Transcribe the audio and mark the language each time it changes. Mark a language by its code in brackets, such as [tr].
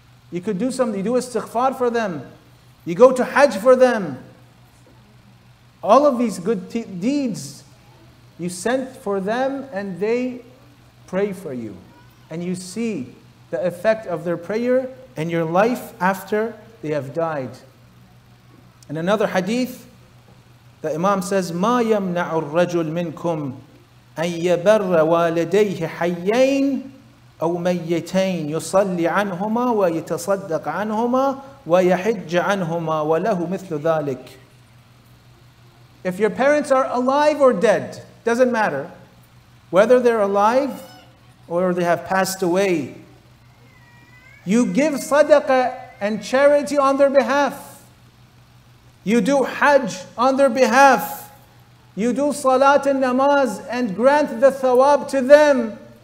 [en] You could do something, you do istighfar for them, you go to hajj for them. All of these good deeds, you sent for them and they pray for you. And you see the effect of their prayer in your life after they have died. In another hadith, the Imam says, [ar] مَا يَمْنَعُ الرَّجُلْ مِنْكُمْ أَن يَبَرَّ وَالَدَيْهِ حَيَّيْنِ أَوْ مَيَّتَيْنِ يُصَلِّ عَنْهُمَا وَيَتَصَدَّقْ عَنْهُمَا وَيَحِجَّ عَنْهُمَا وَلَهُ مِثْلُ ذَلِكَ. [en] If your parents are alive or dead, doesn't matter. Whether they're alive or they have passed away, you give sadaqah and charity on their behalf. You do hajj on their behalf. You do salat and namaz and grant the thawab to them.